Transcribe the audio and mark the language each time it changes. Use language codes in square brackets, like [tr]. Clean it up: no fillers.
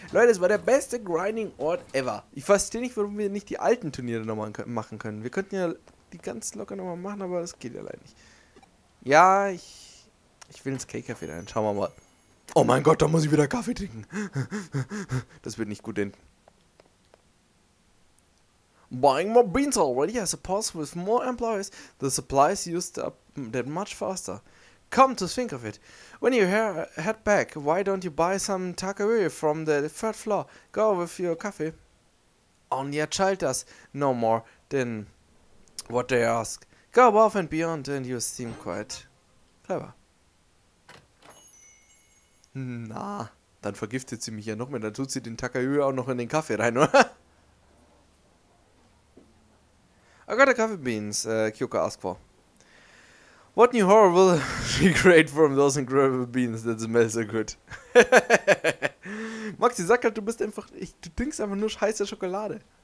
[de] Leute, es war der beste Grinding-Ort ever. Ich verstehe nicht, warum wir nicht die alten Turniere nochmal machen können. Wir könnten ja die ganz locker nochmal machen, aber das geht ja leider nicht. Ja, ich will ins K-Café rein. Schauen wir mal. Oh mein Gott, da muss ich wieder Kaffee trinken. Das wird nicht gut enden. [en] buying more beans already as opposed with more employees, the supplies used up that much faster. Come to think of it, when you head back, why don't you buy some takeaway from the third floor? Go with your coffee. Only a child does no more than what they ask. Go above and beyond and you seem quite clever. [de] Na, dann vergiftet sie mich ja noch mehr, dann tut sie den Takeaway auch noch in den Kaffee rein, oder? [en] I got the coffee beans, Kyoko asked for. What new horror will she create from those incredible beans that smell so good? [de] Maxi, sag halt, du trinkst einfach nur scheiße Schokolade.